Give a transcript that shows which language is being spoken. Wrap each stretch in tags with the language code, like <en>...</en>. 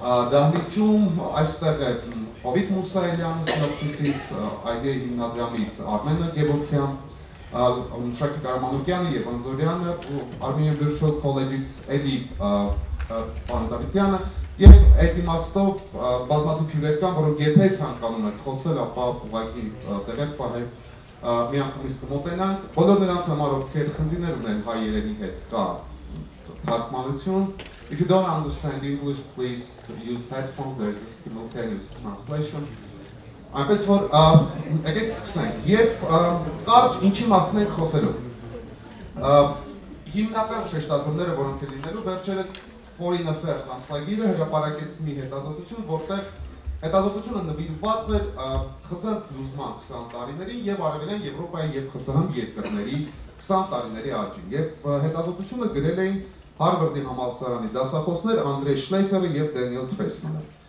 <hy>դահլիճում, այստեղ է Հովիտ Մուսայելյանը սնոպսիսից, Այգե հիմնադրամից Արմեն Գևորքյան, Շակի Կարամանուկյանը և Անձորյանը, Արմինե Վիրչուալ քոլեջից Էդի Պանդավիտյանը, և այդ իմաստով բազմաթիվ հյուրեր կան, որոնք եթե ցանկանում են խոսել, ապա ուղղակի տեղեր պահեք, միանգամից կմոտենանք։ Բոլոր նրանց համար, ովքեր խնդիրներ ունեն հայ երենի հետ կա թարգմանություն.</hy> <en>If you don't understand English, please use headphones, there is a simultaneous translation.</en> <hy>Այնպես որ, եկեք սկսենք, և կարճ ինչի մասին ենք խոսելու։ Հիմնական շեշտադրումները, որոնք են լինելու, վերջերս Foreign Affairs ամսագիրը հրապարակեց մի հետազոտություն, որտեղ հետազոտությունը նվիրված էր ԽՍՀՄ բլուզման 20 տարիներին և արևելյան Եվրոպայի և ԽՍՀՄ երկրների 20 տարիների աճին, և հետազոտությունը գրել էին Հարվարդի համալսարանի դասախոսներ Անդրե Շլեյֆերը և Դենիել Թրեսմանը։</hy>